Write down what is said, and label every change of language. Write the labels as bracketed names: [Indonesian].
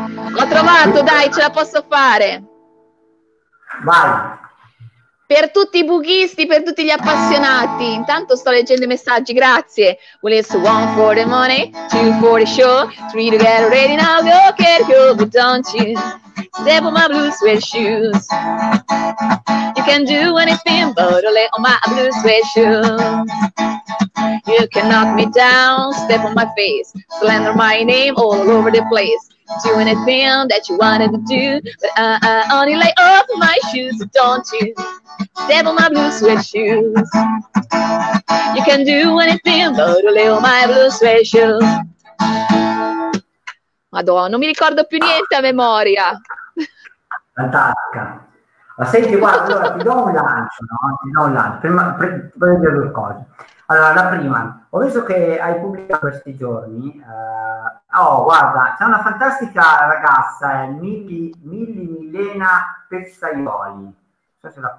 [Italian] L'ho trovato, dai, ce la posso fare. Per tutti i bughisti, per tutti gli appassionati. Intanto sto leggendo i messaggi, grazie. [English] Well, it's one for the money, two for the show, three to get ready now, go get you, but don't you step on my blue suede shoes. You can do anything, but don't lay on my blue suede shoes. You can knock me down, step on my face, slander my name all over the place. Do anything that you wanted to do, but only lay off my shoes, don't you? Step on my blue suede shoes. You can do anything, but lay on my blue suede shoes. [Italian] Madonna, non mi ricordo più niente a memoria. Fantastica. Ma senti, guarda, allora ti do un lancio, no? Ti do un lancio, prima di dire due cose. Allora, la prima, ho visto che hai pubblicato questi giorni. Oh, guarda, c'è una fantastica ragazza, Milena Pezzaioli. Non so se la